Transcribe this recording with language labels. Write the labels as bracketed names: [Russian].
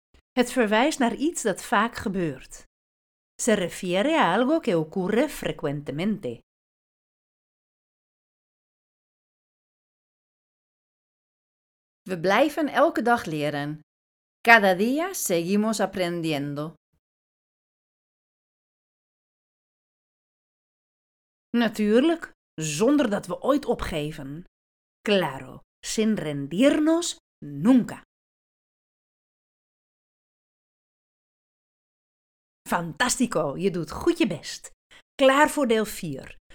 [Dutch] Het verwijst naar iets dat vaak gebeurt. [Spanish] Se refiere a algo que ocurre frecuentemente. [Dutch] We blijven elke dag leren. [Spanish] Cada día seguimos aprendiendo. [Dutch] Natuurlijk, zonder dat we ooit opgeven. [Spanish] Claro, sin rendirnos nunca. [Dutch] Fantástico, je doet goed je best. Klaar voor deel 4.